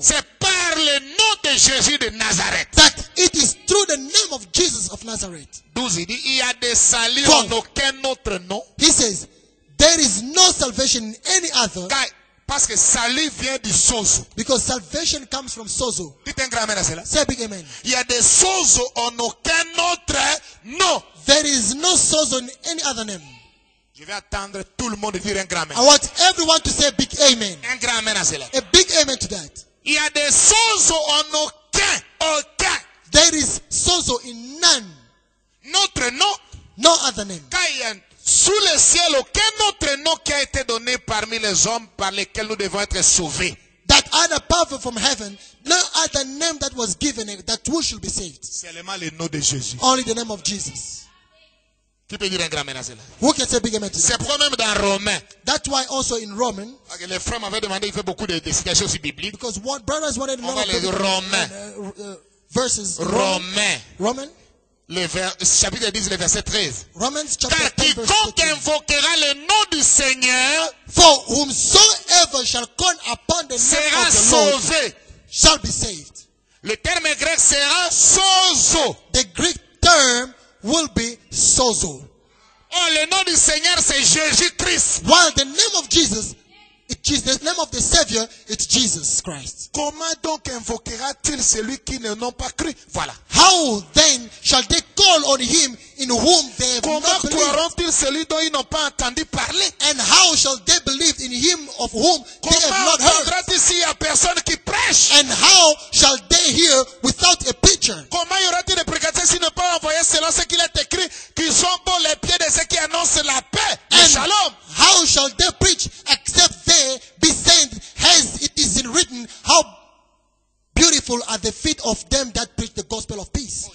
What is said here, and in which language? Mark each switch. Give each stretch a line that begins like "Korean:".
French: C'est par le nom de Jésus de Nazareth.
English: That it is through the name of Jesus of Nazareth.
French: 12, il dit, il y a de salut en aucun autre nom.
English: He says, there is no salvation in any other.
French: Guy, parce que salut vient du sozo.
English: Because salvation comes from sozo.
French: Dites un grand amen à cela.
English: Say a big amen.
French: Il y a de sozo en aucun autre nom.
English: There is no sozo in any other name.
French: Je vais attendre tout le monde dire un grand amen.
English: I want everyone to say a big amen.
French: Un grand amen à cela.
English: A big amen to that.
French: Il y a des sozo en aucun, aucun.
English: There is sozo in none.
French: Notre nom.
English: No other name.
French: Car il y a sous le ciel aucun autre nom qui a été donné parmi les hommes par lesquels nous devons être sauvés.
English: That are above from heaven, no other name that was given that we should be saved.
French: Seulement le nom de Jésus.
English: Only the name of Jesus.
French: Qui peut dire un grand amen à cela?
English: Who can say big amen to that?
French: C'est pourquoi même dans Romains.
English: That's why also in Roman.
French: Okay, les frères m'avaient demandé, il fait beaucoup de citations sur Bible.
English: Because what brothers wanted to know.
French: On va lire Romains.
English: Verses.
French: Romains.
English: Roman.
French: Le chapitre 10, le verset 13.
English: Romans chapter 10.
French: Car quiconque invoquera le nom du Seigneur,
English: for whomsoever shall call upon the name of the
French: sauvé.
English: Lord, shall be saved.
French: Le terme grec sera sozo.
English: The Greek term will be sozo.
French: Oh, le nom du Seigneur, c'est Jésus Christ.
English: While the name of Jesus, the name of the Savior, it's Jesus Christ.
French: Comment donc invoquera-t-il celui qui ne l'ont pas cru? Voilà.
English: How then shall they call on him in whom they have
French: comment
English: not believed?
French: Comment croiront-ils celui dont ils n'ont pas entendu parler?
English: And how shall they believe in him of whom
French: comment
English: they have not heard?
French: Comment croiront-ils s'il y a personne qui prêche?
English: And how shall they hear without a preacher?
French: Comment y aura-t-il des prédicateurs s'ils n'ont pas envoyé selon ce qu'il est écrit, qui sont pour les pieds de ceux qui annoncent la paix,
English: and
French: le shalom?
English: How shall they preach except they be sent, as it is written, how beautiful are the feet of them that preach the gospel of peace.